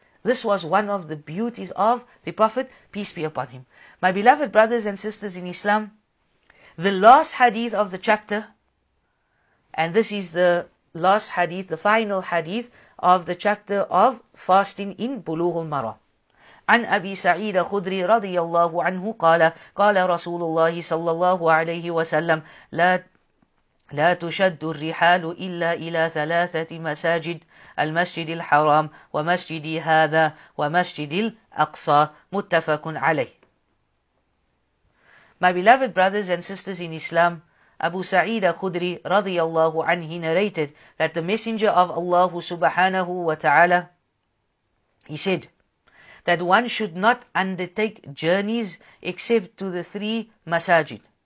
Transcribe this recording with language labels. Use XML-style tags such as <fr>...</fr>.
<en>This was one of the beauties of the Prophet, peace be upon him. My beloved brothers and sisters in Islam, the last hadith of the chapter, and this is the last hadith, the final hadith of the chapter of fasting in Bulughul Marah.</en> <ar>عن أبي سعيد خدري رضي الله عنه قال قال رسول الله صلى الله عليه وسلم لا تشد الرحال إلا إلى ثلاثة مساجد المسجد الحرام ومسجدي هذا ومسجد الأقصى متفق عليه.</ar> <en>My beloved brothers and sisters in Islam, Abu Sa'id al-Khudri radiyallahu anhu narrated that the Messenger of Allah subhanahu wa ta'ala, he said that one should not undertake journeys except to the three masajid.</en>